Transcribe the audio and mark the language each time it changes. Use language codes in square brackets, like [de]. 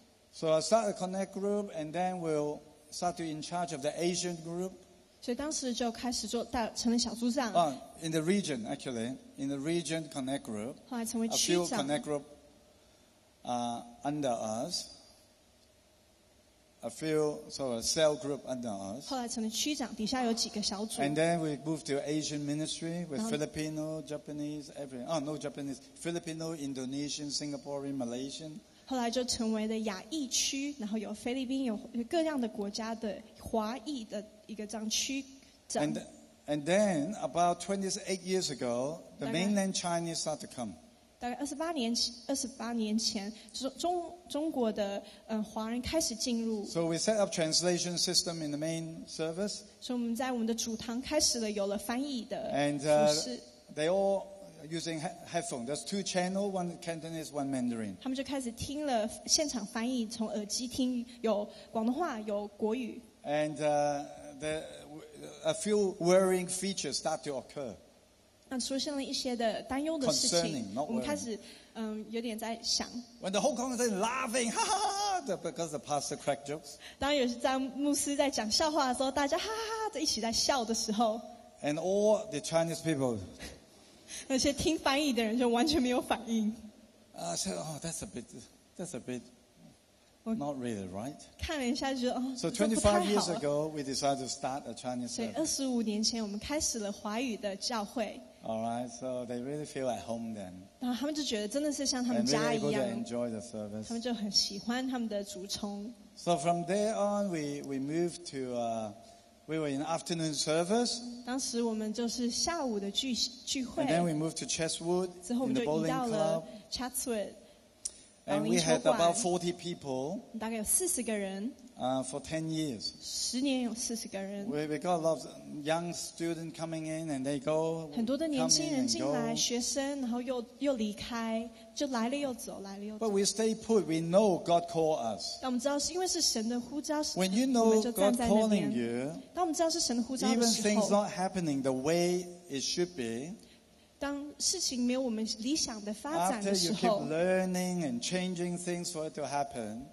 [en] So I start a connect group, and then we'll start to in charge of the Asian group. [zh] 所以当时就开始做大，成了小组长。 [en] In the region, actually, in the region connect group. [zh] 后来成为区长。 [en] A few connect group, under us. A few, so a cell group under us. [zh] 后来成了区长，底下有几个小组。 [en] And then we moved to Asian ministry with Filipino, Japanese, everything. Oh, no Japanese. Filipino, Indonesian, Singaporean, Malaysian. [zh] 后来就成为了亚裔区，然后有菲律宾，有各样的国家的华裔的一个这样区长。 [en] And then about 28 years ago, the mainland Chinese started to come. [zh] 大概二十八年前，中国的华人开始进入。 [en] So we set up translation system in the main service. [zh] 所以我们在我们的主堂开始了有了翻译的服事。 [en] And they all. Using headphone, there's two channels, one Cantonese, one Mandarin. [zh] 他们就开始听了现场翻译，从耳机听有广东话，有国语。 [en] And a few worrying features start to occur. [zh] 那出现了一些的担忧的事情。 [en] Concerning, not worrying. [zh] 我们开始有点在想。 [en] When the whole congregation laughing, ha ha ha, because the pastor crack jokes. [zh] 当有些牧师在讲笑话的时候，大家哈哈哈一起在笑的时候。 [en] And all the Chinese people. [zh] 那些听翻译的人就完全没有反应。 [en] That's a bit, not really right. [zh] 看了一下就觉得 [en] So 25 years ago, we decided to start a Chinese service. [zh] 所以25年前我们开始了华语的教会。 [en] All right, so they really feel at home then. [zh] 然后他们就觉得真的是像他们家一样。 [en] And really able to enjoy the service. [zh] 他们就很喜欢他们的主冲。 [en] So from there on, we moved to. We were in afternoon service. [zh] 当时我们就是下午的聚会。 [en] And then we moved to Chesswood. [zh] 之后我们就移到了 Chatswood. [en] And we had about 40 people. [zh] 大概有40个人。 [en] For 10 years. [zh] 十年有40个人。 [en] We got a lot of young students coming in and they go. [zh] 很多的年轻人进来，学生，然后又离开，就来了又走，来了又走。 [en] But we stay put. We know God called us. [zh] 但我们知道是因为是神的呼召。 [en] When you know God calling you, [zh] 当我们知道是神的呼召的时候 [en] even things not happening the way it should be. [zh] 当事情没有我们理想的发展的时候 [en] After you keep learning and changing things for it to happen